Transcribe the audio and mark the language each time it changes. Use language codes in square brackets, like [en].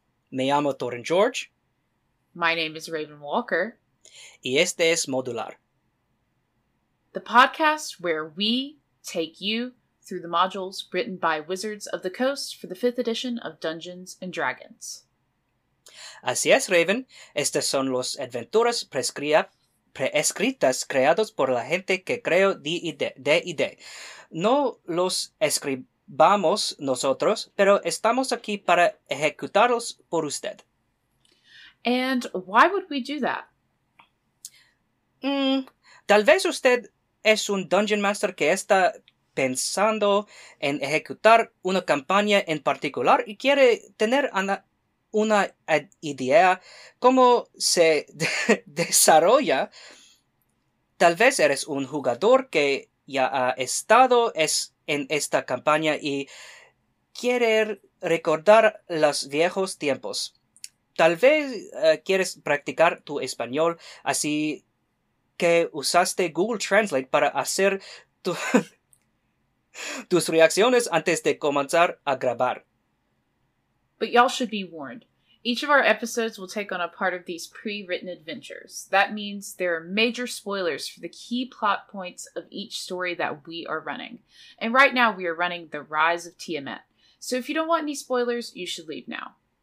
[es] Me llamo Thorin George. [en] My name is Raven Walker. [es] Y este es Modular. [en] The podcast where we take you through the modules written by Wizards of the Coast for the 5th edition of Dungeons and Dragons. [es] Así es, Raven. Estas son las aventuras prescritas creados por la gente que creó D&D. No los escribamos nosotros, pero estamos aquí para ejecutarlos por usted. [en] And why would we do that? [es] Tal vez usted es un Dungeon Master que está pensando en ejecutar una campaña en particular y quiere tener una idea cómo se desarrolla. Tal vez eres un jugador que ya ha estado en esta campaña y quiere recordar los viejos tiempos. Tal vez quieres practicar tu español, así que usaste Google Translate para hacer tus reacciones antes de comenzar a grabar. [en] But y'all should be warned. Each of our episodes will take on a part of these pre-written adventures. That means there are major spoilers for the key plot points of each story that we are running. And right now we are running The Rise of Tiamat. So if you don't want any spoilers, you should leave now.